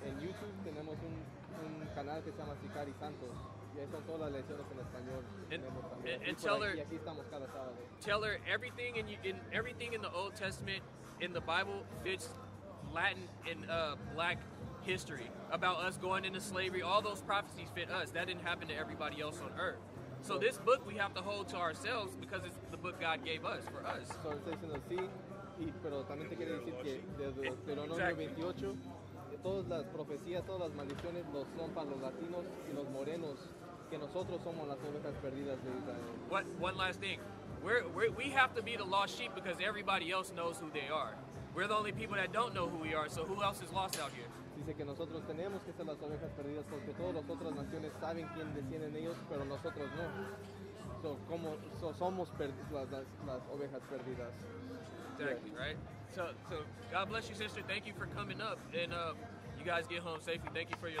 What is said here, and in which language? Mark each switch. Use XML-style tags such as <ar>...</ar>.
<es>En YouTube tenemos un canal que se llama Sicarii Santos. Y ahí están todas las lecciones en español.</es> <en>And tell her...</en> <es>Y aquí estamos cada sábado.</es> <en>Tell her everything in the Old Testament in the Bible fits Latin and black history about us going into slavery. All those prophecies fit us. That didn't happen to everybody else on earth. So this book we have to hold to ourselves because it's the book God gave us for us. So it's saying that,</en> <es>sí, pero también te quiero decir que desde Deuteronomio 28, todas las profecías, todas las maldiciones no son para los latinos y los morenos, que nosotros somos las ovejas perdidas de Israel.</es> <en>What? One last thing. We have to be the lost sheep because everybody else knows who they are. We're the only people that don't know who we are, so who else is lost out here?</en> <es>Dice que nosotros tenemos que ser las ovejas perdidas porque todas las otras naciones saben quién descienden ellos, pero nosotros no. So, como so somos las ovejas perdidas.</es> <en>Exactly, yeah. Right? So God bless you, sister. Thank you for coming up. And you guys get home safely. Thank you for your</en>